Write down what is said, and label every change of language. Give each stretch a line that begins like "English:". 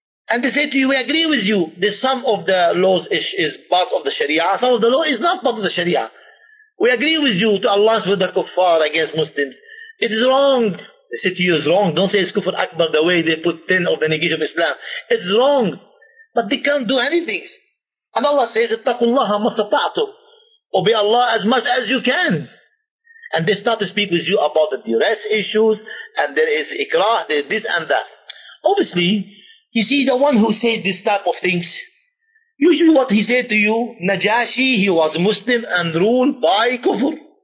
English: And they say to you, we agree with you. The sum of the laws is part of the Sharia. Some of the law is not part of the Sharia. We agree with you to Allah's with the kuffar against Muslims. It is wrong. They say to you, it's wrong. Don't say it's kufr akbar the way they put 10 of the negation of Islam. It's wrong. But they can't do anything.
Arabic: And Allah says, اتقوا الله ما استطعتم.
English: Obey Allah as much as you can. And they start to speak with you about the duress issues, and there is ikrah, there is this and that. Obviously, you see, the one who says this type of things, usually what he said to you, Najashi, he was Muslim and ruled by kufr.